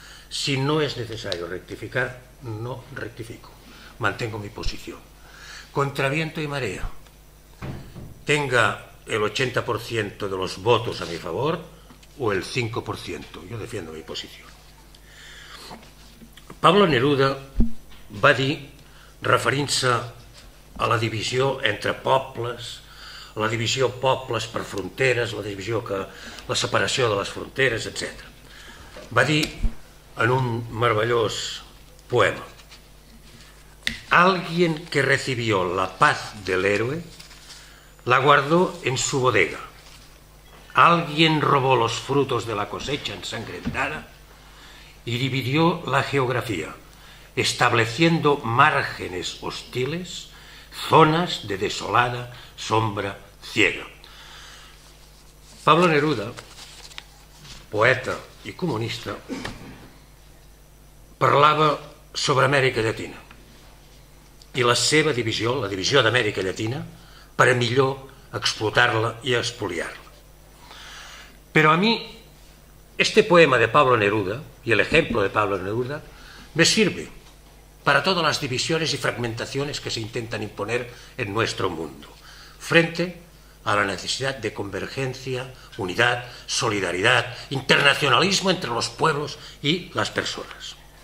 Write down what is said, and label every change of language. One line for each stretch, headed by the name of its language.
Spanish: Si no es necesario rectificar, no rectifico. Mantengo mi posición. Contra viento y marea, tenga el 80% de los votos a mi favor o el 5%. Yo defiendo mi posición.
Catalan: Pablo Neruda va dir, referint-se a la divisió entre pobles, la divisió pobles per fronteres, la divisió que la separació de les fronteres, etc. Va dir en un meravellós poema:
Spanish: alguien que recibió la paz del héroe la guardó en su bodega. Alguien robó los frutos de la cosecha ensangrentada y dividió la geografía, estableciendo márgenes hostiles, zonas de desolada sombra ciega.
Catalan: Pablo Neruda,
Spanish: poeta y comunista,
Catalan: parlava sobre Amèrica Llatina i la seva divisió, la divisió d'Amèrica Llatina, per a millor explotar-la i expoliar-la. Però a mi,
Spanish: este poema de Pablo Neruda
Catalan: i l'exemple de
Spanish: Pablo Neruda me sirve para todas las divisiones y fragmentaciones que se intentan imponer en nuestro mundo, frente a la necesidad de convergencia, unidad, solidaridad, internacionalismo entre los pueblos y las personas.